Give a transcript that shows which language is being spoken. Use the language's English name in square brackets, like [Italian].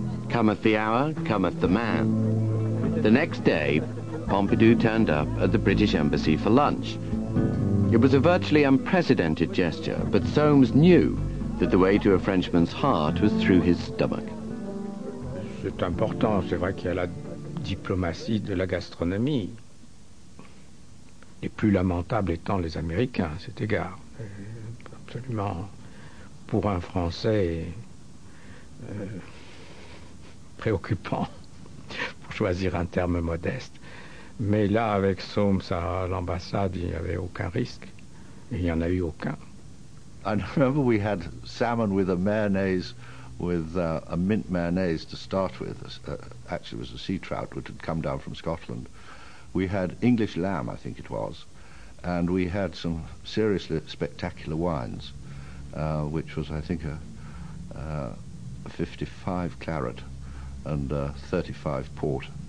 [English] Cometh the hour, cometh the man. The next day, Pompidou turned up at the British Embassy for lunch. It was a virtually unprecedented gesture, but Soames knew that the way to a Frenchman's heart was through his stomach. [French] C'est important, c'est vrai qu'il y a la diplomatie de la gastronomie. Et plus lamentable étant les Américains à cet égard. Absolument, pour un Français, préoccupant, pour choisir un terme modeste. Mais là, avec Soames à l'ambassade, il n'y avait aucun risque. Il n'y en a eu aucun. [English] I remember we had salmon with a mayonnaise, with a mint mayonnaise to start with. Actually, it was a sea trout which had come down from Scotland. We had English lamb, I think it was, and we had some seriously spectacular wines, which was, I think, a 55 claret and a 35 port.